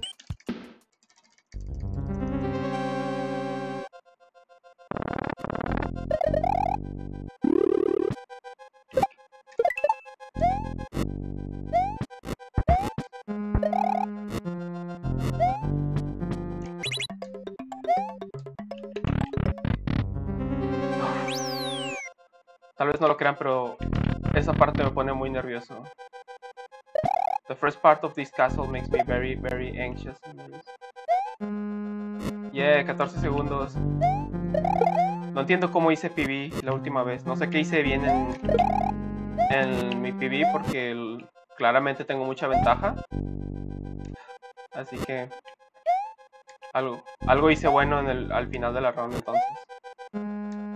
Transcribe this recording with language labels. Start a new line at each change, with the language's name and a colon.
Spanish: Tal vez no lo crean, pero esa parte me pone muy nervioso.
English: The first part of this castle makes me very, very anxious.
Spanish: Yeah, 14 segundos. No entiendo cómo hice PB la última vez. No sé qué hice bien en mi PB porque claramente tengo mucha ventaja. Así que algo hice bueno al final de la ronda entonces.